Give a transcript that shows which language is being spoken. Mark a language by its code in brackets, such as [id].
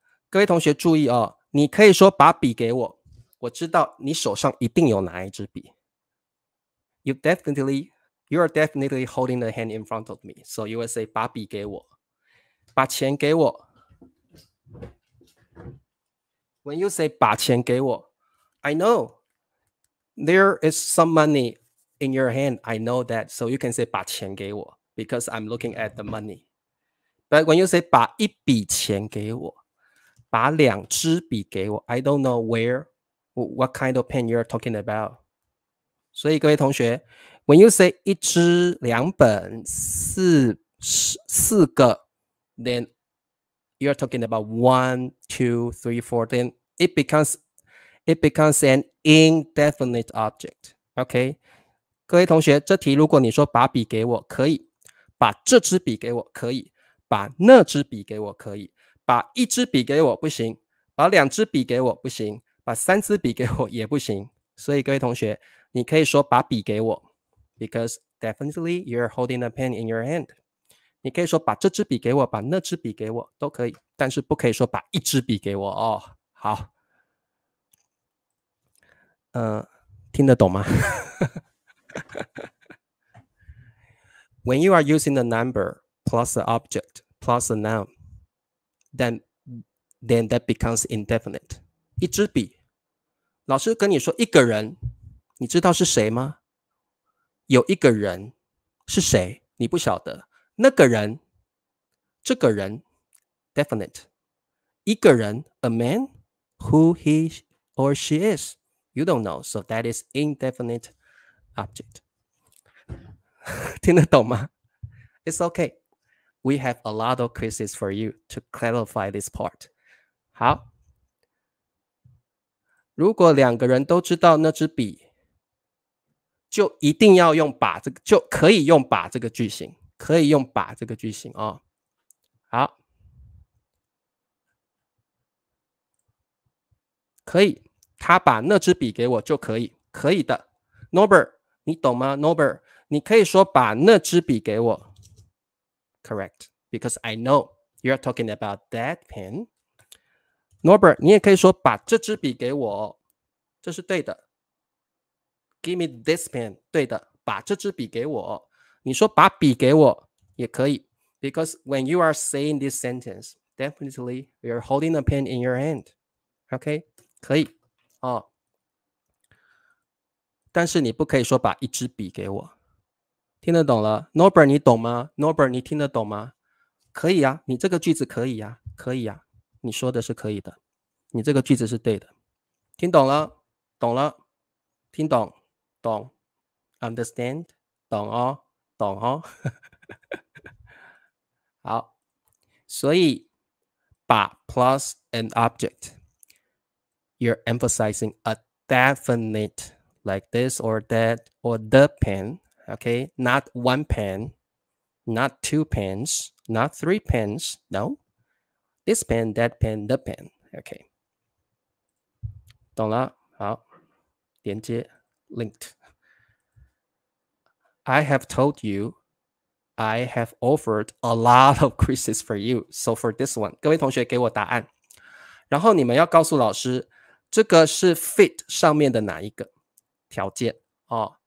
[zh] 各位同学注意哦，你可以说把笔给我，我知道你手上一定有哪一支笔。 [en] You are definitely holding the hand in front of me. So you will say, [zh] 把笔给我，把钱给我。 [en] When you say, [zh] 把钱给我， [en] I know there is some money in your hand. I know that. So you can say, [zh] 把钱给我， [en] because I'm looking at the money. But when you say, [zh] 把一笔钱给我，把两支笔给我， [en] I don't know what kind of pen you're talking about. [zh] 所以各位同学 [en] when you say [zh] 一支两本四个 [en] then you're talking about 1, 2, 3, 4 then it becomes an indefinite object. Okay? [zh] 各位同学这题如果你说把笔给我可以把这支笔给我可以把那支笔给我可以把一支笔给我不行把两支笔给我不行把三支笔给我也不行。所以各位同学你可以说把笔给我 [en] ，because definitely you're holding a pen in your hand。 [zh] 你可以说把这支笔给我，把那支笔给我都可以，但是不可以说把一支笔给我哦。好，听得懂吗？ [en] When you are using the number plus the object plus the noun, then that becomes indefinite. [zh] 一支笔，老师跟你说一个人，你知道是谁吗？有一个人是谁？你不晓得那个人，这个人 definite. 一个人 [en] a man, who he or she is, you don't know. So that is indefinite object. [zh] 听得懂吗？ [en] It's okay. We have a lot of quizzes for you to clarify this part. [zh] 好，如果两个人都知道那支笔，就一定要用把这个，就可以用把这个句型，可以用把这个句型哦。好，可以，他把那支笔给我就可以，可以的。 Norbert， 你懂吗 ？Norbert， 你可以说把那支笔给我。 [en] Correct, because I know you're talking about that pen. [zh] Norbert, 你也可以说把这支笔给我，这是对的。 [en] Give me this pen, [zh] 对的，把这支笔给我。你说把笔给我也可以 [en] ，because when you are saying this sentence, definitely you're holding a pen in your hand. [zh] Okay, 可以哦。但是你不可以说把一支笔给我。听得懂了 ，Norbert， 你懂吗 ？Norbert， 你听得懂吗？可以啊，你这个句子可以啊，可以啊，你说的是可以的，你这个句子是对的，听懂了，懂了，听懂，懂 ，understand， 懂哦，懂哦。 [en] 好，所以把 plus an object， you're emphasizing a definite like this or that or the pen。 Okay, not one pen, not two pens, not three pens, no. This pen, that pen, the pen. Okay. [zh] 懂了？好，连接 linked. [en] I have told you, I have offered a lot of quizzes for you. So for this one, [zh] 各位同学给我答案。然后你们要告诉老师，这个是 fit 上面的哪一个条件哦。